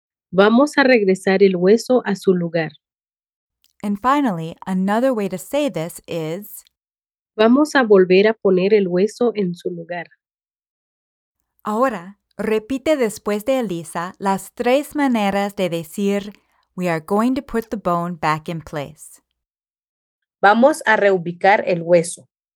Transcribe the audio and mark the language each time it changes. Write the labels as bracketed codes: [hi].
[es] Vamos a regresar el hueso a su lugar. [en] And finally, another way to say this is, [es] vamos a volver a poner el hueso en su lugar. Ahora, repite después de Elisa las tres maneras de decir, [en] we are going to put the bone back in place. [es] Vamos a reubicar el hueso.